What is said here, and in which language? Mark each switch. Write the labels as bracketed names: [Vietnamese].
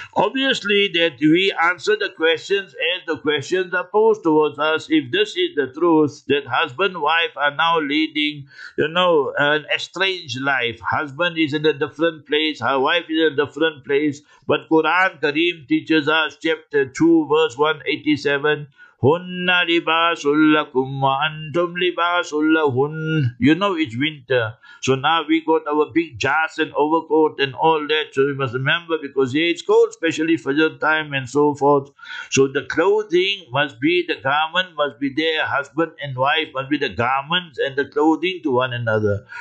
[English] Obviously, that we answer the questions as the questions are posed towards us. If this is the truth, that husband and wife are now leading, you know, an estranged life. Husband is in a different place, her wife is in a different place. But Quran Kareem teaches us, chapter 2, verse 187, [Arabic] هن لباس لكم وأنتم لباس لهن. [English] You know it's winter. So now we got our big jas and overcoat and all that. So we must remember, because yeah, it's cold, especially Fajr time and so forth. So the clothing must be, the garment must be there. Husband and wife must be the garments and the clothing to one another.